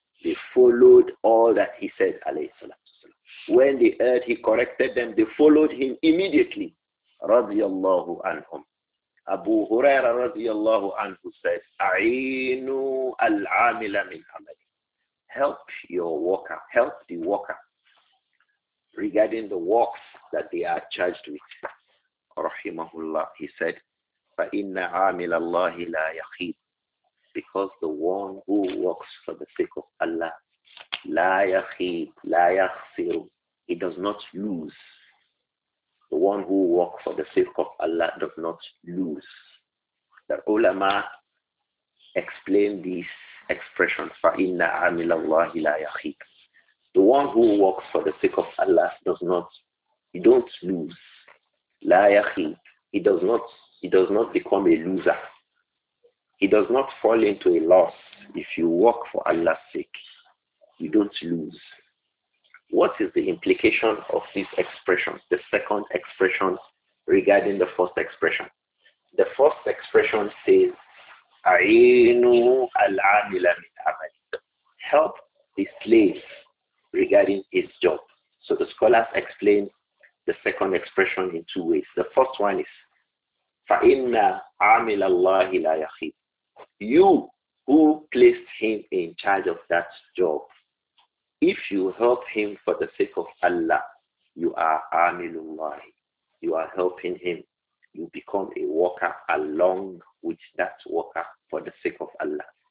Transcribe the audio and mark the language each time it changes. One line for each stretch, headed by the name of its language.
English: They followed all that he said, alayhi sallam. When they heard, he corrected them, they followed him immediately. Radiallahu anhum. Abu Huraira radiallahu anhu says, a'inu al-amila min amali. Help your worker, help the worker regarding the works that they are charged with.
Arabic: Rahimahullah, he said, فَإِنَّ عَامِلَ اللَّهِ لَا يَخِيبُ.
English: Because the one who works for the sake of Allah, لَا يَخِيبُ, لَا يَخْسِرُ, he does not lose. The one who works for the sake of Allah does not lose. The ulama explained this expression, فَإِنَّ عَامِلَ اللَّهِ لَا يَخِيبُ. The one who works for the sake of Allah does not, he don't lose. La yakhib. He does not become a loser. He does not fall into a loss. If you work for Allah's sake, you don't lose. What is the implication of this expression, the second expression regarding the first expression? The first expression says, A'inu al-amila min amali. Help the slave regarding his job. So the scholars explain the second expression in two ways. The first one is, فَإِنَّ عَامِلَ اللَّهِ لَا يَخِيبُ. You who placed him in charge of that job, if you help him for the sake of Allah, you are amilullahi. You are helping him. You become a worker along with that worker for the sake of Allah.